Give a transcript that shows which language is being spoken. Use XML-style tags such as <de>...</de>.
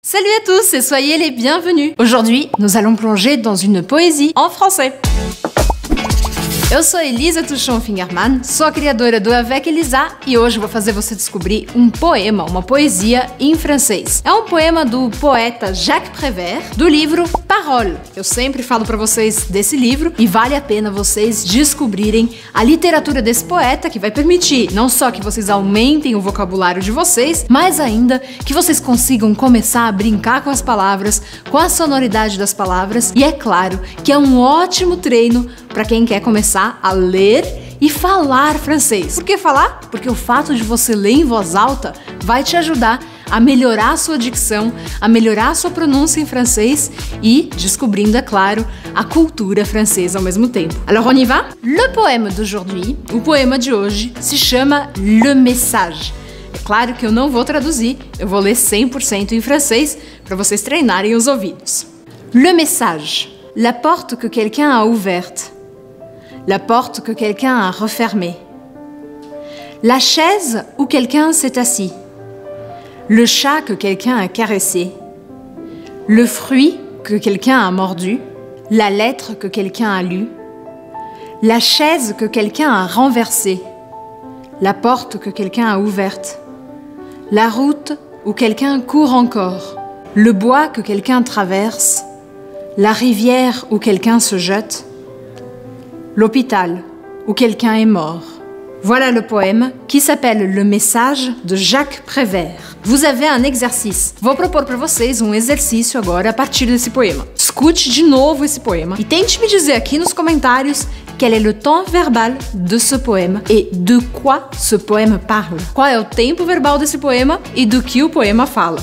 <fr>Salut à tous et soyez les bienvenus. Aujourd'hui, nous allons plonger dans une poésie en français.</fr> <pt>Eu sou Elisa Tuchon Fingerman, sou a criadora do Avec Elisa e hoje vou fazer você descobrir um poema, uma poesia em francês. É um poema do poeta Jacques Prévert, do livro Parole. Eu sempre falo pra vocês desse livro e vale a pena vocês descobrirem a literatura desse poeta que vai permitir não só que vocês aumentem o vocabulário de vocês, mas ainda que vocês consigam começar a brincar com as palavras, com a sonoridade das palavras e é claro que é um ótimo treino pra quem quer começar a ler e falar francês. Por que falar? Porque o fato de você ler em voz alta vai te ajudar a melhorar a sua dicção, a melhorar a sua pronúncia em francês e descobrindo, é claro, a cultura francesa ao mesmo tempo.</pt> <fr>Alors on y va? Le poème d'aujourd'hui,</fr> <pt>o poema de hoje, se chama Le Message. É claro que eu não vou traduzir, eu vou ler 100% em francês para vocês treinarem os ouvidos.</pt> <fr>Le Message. La porte que quelqu'un a ouverte. La porte que quelqu'un a refermée. La chaise où quelqu'un s'est assis. Le chat que quelqu'un a caressé. Le fruit que quelqu'un a mordu. La lettre que quelqu'un a lue. La chaise que quelqu'un a renversée. La porte que quelqu'un a ouverte. La route où quelqu'un court encore. Le bois que quelqu'un traverse. La rivière où quelqu'un se jette. L'hôpital, où quelqu'un est mort. Voilà le poème qui s'appelle Le Message de Jacques Prévert. Vous avez un exercice.</fr> <pt>Vou propor para vocês um exercício agora a partir desse poema. Escute de novo esse poema e tente me dizer aqui nos comentários</pt> <fr>quel est le temps verbal de ce poème et de quoi ce poème parle.</fr> <pt>Qual é o tempo verbal desse poema e do que o poema fala.</pt>